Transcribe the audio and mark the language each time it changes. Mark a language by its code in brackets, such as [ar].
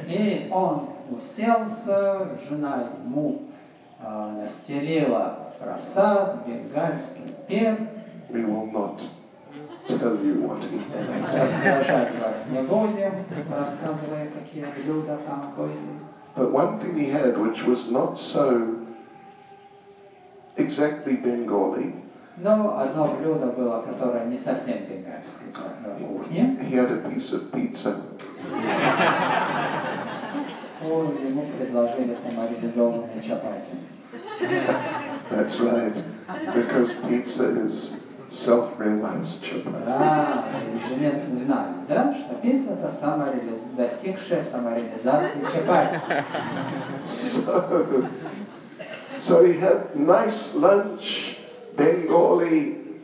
[ru] И он уселся, жена ему настелила прасад, бенгальский пир. [en] We will not tell you what he had. [ru] Разглашать вас не будем, рассказывая, какие блюда там были. [en] But one thing he had, which was not so exactly Bengali. [ru] Но одно блюдо было, которое не совсем бенгальской кухни. [en] He had a piece of pizza. [ru] Ему предложили самореализованные чапати. [en] That's right, because pizza is self-realized children. [ru] Да, мы знаем, да, что пицца это достигшая самореализации чапати. [en] So he had nice lunch, Bengali.